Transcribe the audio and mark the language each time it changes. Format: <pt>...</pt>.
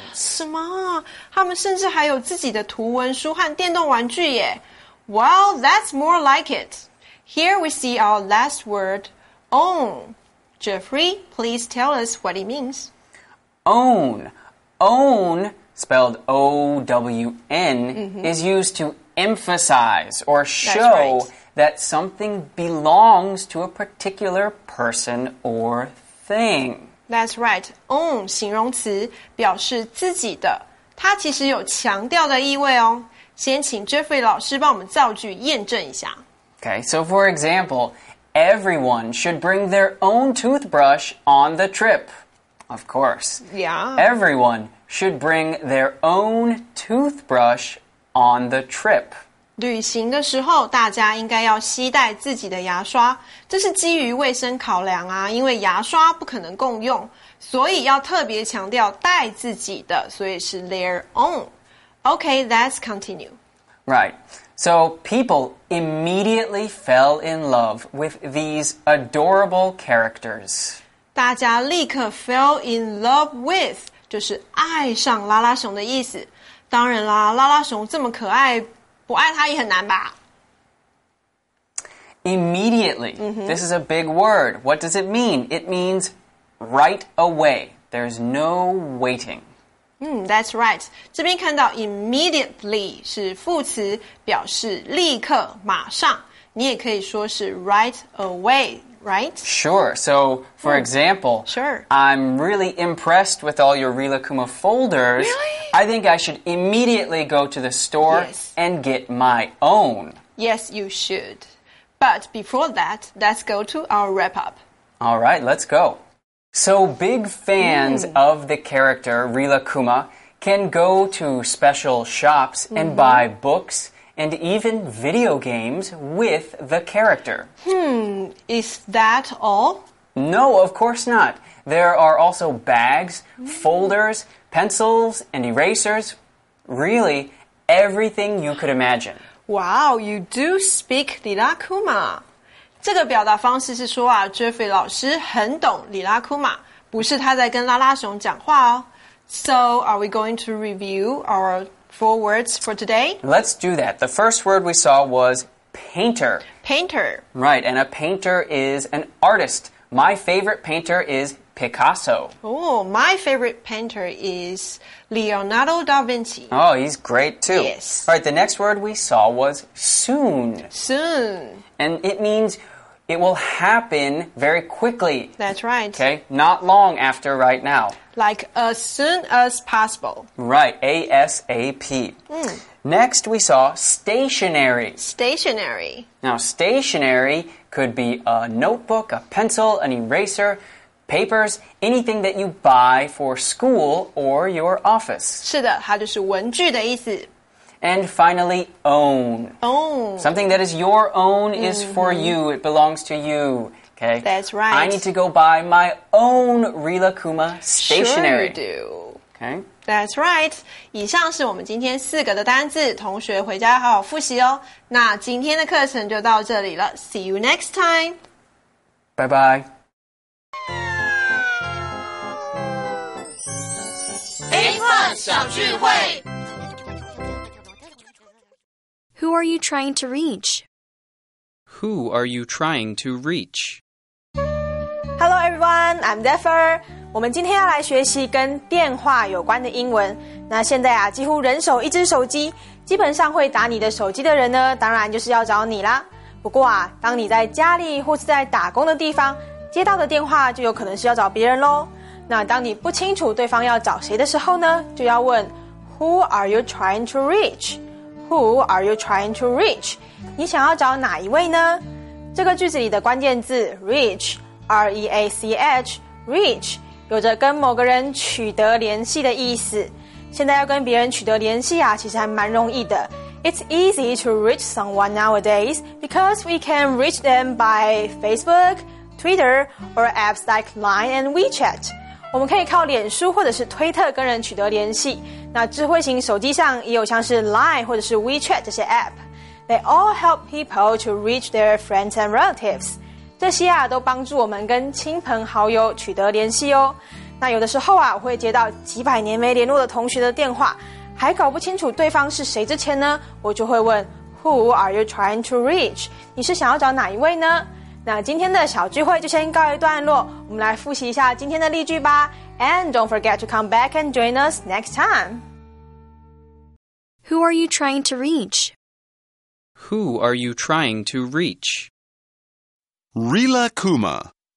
<zh>什么? 他们甚至还有自己的图文书和电动玩具耶。</zh> <en>Well, that's more like it. Here we see our last word. Own. Jeffrey, please tell us what it means. Own. Own, spelled O-W-N,、mm-hmm. is used to emphasize or show、 right. that something belongs to a particular person or thing. That's right.</en> <zh>Own, 形容词表示自己的。它其实有强调的意味哦。先请 Jeffrey 老师帮我们造句验证一下。</zh> <en>Okay, so for example... Everyone should bring their own toothbrush on the trip. Of course. Yeah. Everyone should bring their own toothbrush on the trip.</en> <zh>旅行的时候大家应该要携带自己的牙刷。这是基于卫生考量啊因为牙刷不可能共用。所以要特别强调带自己的所以是</zh> <en>their own. Okay, let's continue. Right. So people immediately fell in love with these adorable characters.</en> <zh>大家立刻</zh> <en>fell in love with,</en> <zh>就是爱上拉拉熊的意思。当然啦，拉拉熊这么可爱，不爱它也很难吧。</zh> <en>Immediately. Mm-hmm. This is a big word. What does it mean? It means right away. There's no waiting. That's right. 这边看到 immediately 是副词，表示立刻、马上。你也可以说是 right away, right? Sure. So, for example, I'm really impressed with all your Rilakkuma folders. Really? I think I should immediately go to the store and get my own. Yes, you should. But before that, let's go to our wrap-up. All right, let's go. So big fans of the character Rilakkuma can go to special shops and buy books and even video games with the character. Is that all? No, of course not. There are also bags, folders, pencils, and erasers. Really, everything you could imagine. Wow, you do speak Rilakkuma.</en> <zh>这个表达方式是说啊 ,Jeffrey 老师很懂 Rilakkuma, 不是他在跟拉拉熊讲话哦。</zh> <en>So, are we going to review our four words for today? Let's do that. The first word we saw was painter. Painter. Right, and a painter is an artist. My favorite painter is Picasso. Oh, my favorite painter is... Leonardo da Vinci. Oh, he's great too. Yes. All right, the next word we saw was soon. Soon. And it means it will happen very quickly. That's right. Okay, not long after right now. Like as soon as possible. Right, ASAP. Next, we saw stationery. Stationery. Now, stationery could be a notebook, a pencil, an eraser... Papers, anything that you buy for school or your office.</en> <zh>是的，它就是文具的意思。</zh> <en>And finally, own. Own. Something that is your own is for you. It belongs to you. Okay? That's right. I need to go buy my own Rilakkuma stationery. Sure you do. Okay? That's right.</en> <zh>以上是我们今天四个的单字，同学回家好好复习哦。那今天的课程就到这里了。</zh> <en>See you next time. Bye-bye. Who are you trying to reach? Who are you trying to reach? Hello everyone, I'm Defer.</en> <zh>我们今天要来学习跟电话有关的英文。那现在啊，几乎人手一只手机，基本上会打你的手机的人呢，当然就是要找你啦。不过啊，当你在家里或是在打工的地方，接到的电话就有可能是要找别人咯。那当你不清楚对方要找谁的时候呢，就要问</zh> <en>Who are you trying to reach? Who are you trying to reach?</en> <zh>你想要找哪一位呢？这个句子里的关键字 reach, R-E-A-C-H, reach, 有着跟某个人取得联系的意思。现在要跟别人取得联系啊，其实还蛮容易的。</zh> <en>It's easy to reach someone nowadays because we can reach them by Facebook, Twitter, or apps like Line and WeChat.</en> <zh>我们可以靠脸书或者是推特跟人取得联系。那智慧型手机上也有像是 Line 或者是 WeChat 这些 app。</zh> <en>They all help people to reach their friends and relatives。</en> <zh>这些啊都帮助我们跟亲朋好友取得联系哦。那有的时候啊，我会接到几百年没联络的同学的电话，还搞不清楚对方是谁之前呢，我就会问</zh> <en>Who are you trying to reach?</en> <zh>你是想要找哪一位呢？那今天的小聚会就先告一段落，我们来复习一下今天的例句吧。</zh> <en>And don't forget to come back and join us next time. Who are you trying to reach? Who are you trying to reach? Rilakkuma.</en>